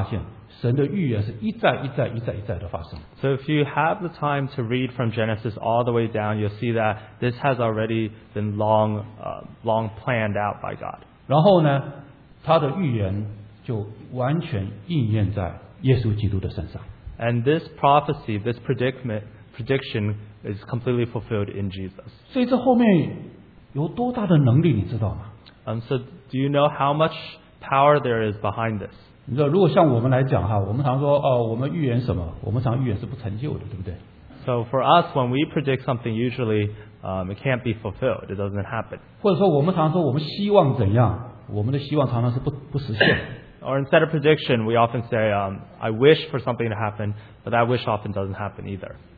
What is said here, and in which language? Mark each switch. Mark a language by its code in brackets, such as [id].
[zh] 所以你说如果有机会从圣经从创世纪一直慢慢读读读读读读下来，你就会发现神的预言是一再一再一再一再的发生。 [en] So if you have the time to read from Genesis all the way down, you'll see that this has already been long planned out by God. [zh] 然后呢，他的预言就完全应验在耶稣基督的身上。 [en] And this prophecy, this prediction is completely fulfilled in Jesus. [zh] 所以这后面有多大的能力，你知道吗？ [en] So do you know how much power there is behind this? [zh] 你知道，如果像我们来讲哈，我们常说哦，我们预言什么？我们常预言是不成就的，对不对？ [en] So for us, when we predict something, usually it can't be fulfilled. It doesn't happen. [zh] 或者说，我们常说我们希望怎样？我们的希望常常是不实现。 [en] Or instead of prediction, we often say, "I wish for something to happen," but that wish often doesn't happen either.